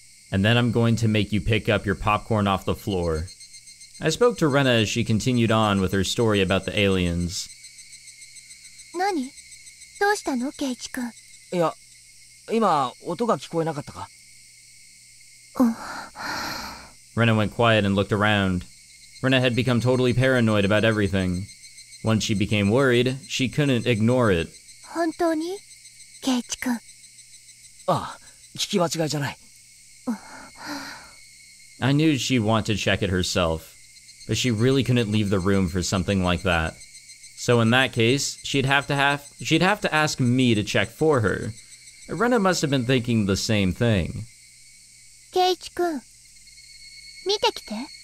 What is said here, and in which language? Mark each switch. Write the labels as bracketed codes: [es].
[en] And then I'm going to make you pick up your popcorn off the floor. I spoke to Rena as she continued on with her story about the aliens. [ja] 何？どうしたの、圭一君。いや、今、音が聞こえなかったか。 [en] Rena went quiet and looked around. Rena had become totally paranoid about everything. Once she became worried, she couldn't ignore it. [ja] 本当に？圭一君。ああ、聞き間違いじゃない。 [en] I knew she wanted to check it herself, but she really couldn't leave the room for something like that. So in that case, she'd have to ask me to check for her, Rena must have been thinking the same thing. [ja] Keiichi-kun, 見てきて。